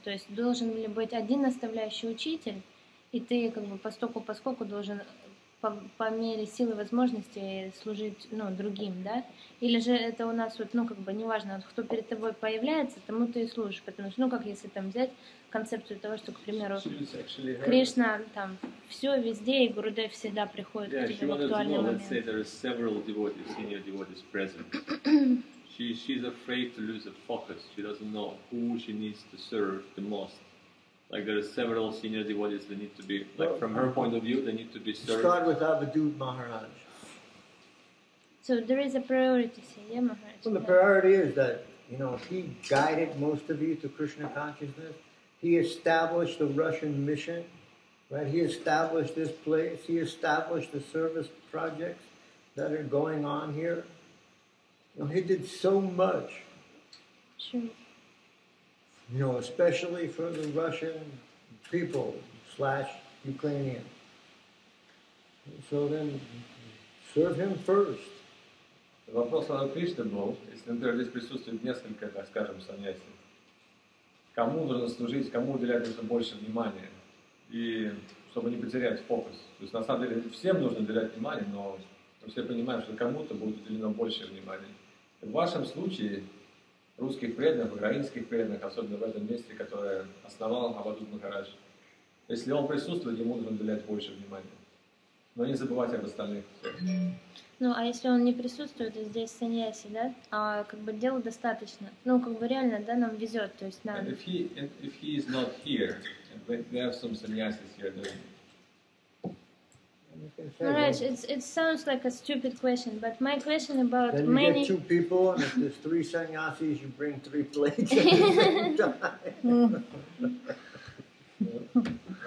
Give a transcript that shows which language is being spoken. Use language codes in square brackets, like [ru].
[ru] То есть должен ли быть один наставляющий учитель, и ты, как бы, постольку-поскольку должен по мере силы возможности служить, ну, другим, да? Или же это у нас вот, ну, как бы, неважно, вот, кто перед тобой появляется, тому ты и служишь. Потому что, ну, как если там взять концепцию того, что, к примеру, Кришна там все везде, и Гурудев всегда приходит к тебе в актуальный момент. [en] Let's say there are several devotees, senior devotees present. She's afraid to lose the focus. She doesn't know who she needs to serve the most. Like, there are several senior devotees that need to be, like, well, from her point of view, they need to be served. Start with Avadhut Maharaj. So there is a priority, say, yeah, Maharaj. Well, the priority is that, you know, he guided most of you to Krishna consciousness. He established the Russian mission, right? He established this place. He established the service projects that are going on here. You know, he did so much. Sure. You know, especially for the Russian people / Ukrainian. So then, serve him first. [ru] Вопрос о Кришне был, если, например, здесь присутствует несколько, так скажем, саньяси, кому нужно служить, кому уделять нужно больше внимания, и чтобы не потерять фокус. То есть, на самом деле, всем нужно уделять внимание, но мы все понимаем, что кому-то будет уделено больше внимания. В вашем случае, русских преданных, украинских преданных, особенно в этом месте, которое основал Авадут Махарадж. Если он присутствует, ему нужно уделять больше внимания. Но не забывать об остальных. Ну, а если он не присутствует, то здесь саньяси, да? А как бы дела достаточно. Ну, как бы реально, да, нам везет, то есть нам... [en] If he is not here, there are some sannyasis here, then... Maharaj, it sounds like a stupid question, but my question about then many... Then you get two people, and if there's three sannyasis, you bring three plates at the same time.